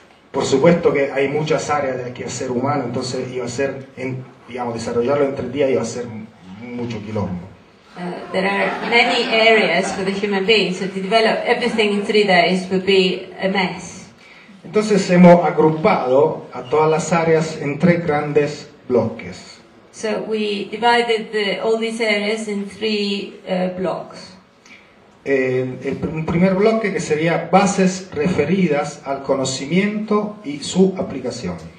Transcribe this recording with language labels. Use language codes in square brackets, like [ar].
[es] Por supuesto que hay muchas áreas de aquí a ser humano, entonces iba a ser, digamos, desarrollarlo entre días iba a ser mucho quilombo. [en] There are many areas for the human being, so to develop everything in 3 days would be a mess. [es] Entonces hemos agrupado a todas las áreas en 3 grandes bloques. [en] So we divided all these areas in 3 blocks. [es] Un primer bloque que sería bases referidas al conocimiento y su aplicación.